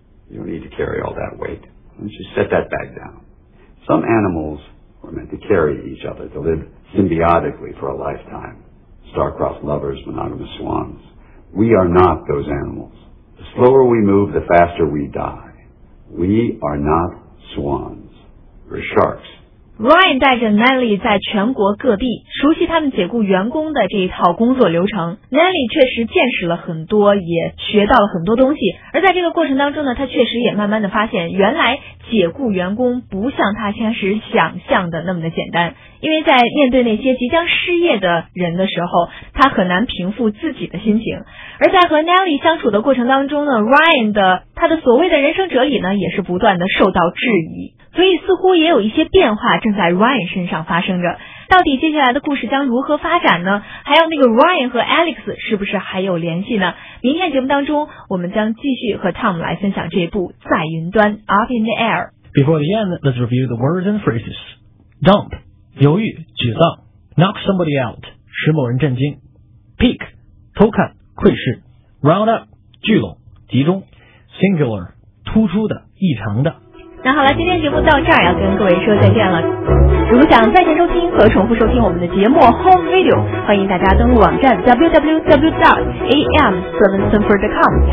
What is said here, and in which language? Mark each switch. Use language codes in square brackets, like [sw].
[en] You don't need to carry all that weight. Why don't you set that bag down? Some animals were meant to carry each other, to live symbiotically for a lifetime. Star-crossed lovers, monogamous swans. We are not those animals. The slower we move, the faster we die. We are not swans. We're sharks. [zh] Ryan 带着 Nelly 在全国各地熟悉他们解雇员工的这一套工作流程。 Nelly 确实见识了很多，也学到了很多东西，而在这个过程当中呢，他确实也慢慢的发现，原来解雇员工不像他开始想象的那么的简单。因为在面对那些即将失业的人的时候，他很难平复自己的心情。而在和 Nelly 相处的过程当中呢， Ryan 的他的所谓的人生哲理呢，也是不断的受到质疑，所以似乎也有一些变化正在 Ryan 身上发生着。到底接下来的故事将如何发展呢？还有那个 Ryan 和 Alex 是不是还有联系呢？明天节目当中我们将继续和 Tom 来分享这部在云端 Up in the Air。 [en] Before the end, let's review the words and phrases. Dump, [zh] 犹豫沮丧。 [en] Knock somebody out, [zh] 使某人震惊。 [en] Peek, [zh] 偷看窥视。 [en] Round up, [zh] 聚拢集中。 [en] Singular, [zh] 突出的异常的。那好了，今天节目到这儿要跟各位说再见了。如果想在线收听和重复收听我们的节目 Home Radio， 欢迎大家登录网站 www.am774.com。